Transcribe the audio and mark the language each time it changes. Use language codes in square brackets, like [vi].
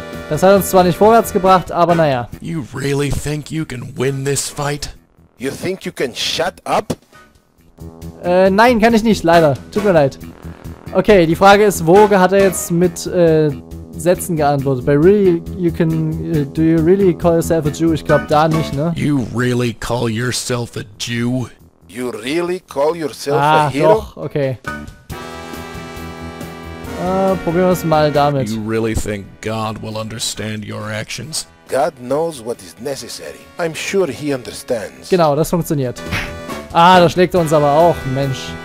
[de] Das hat uns zwar nicht vorwärts gebracht, aber naja. [en] You really think you can win this fight? You think you can shut up? [de] Nein, kann ich nicht, leider. Tut mir leid. Okay, die Frage ist, wo hat er jetzt mit Sätzen geantwortet? Bei [en] really, you can, do you really call yourself a Jew? [de] Ich glaube da nicht, ne? [en] You really call yourself a Jew? You really call yourself a hero? [de] Ah, doch, okay. Probieren wir es mal damit. [en] You really think God will understand your actions? God knows what is necessary. I'm sure he understands. [de] Genau, das funktioniert. Ah, da schlägt er uns aber auch, Mensch.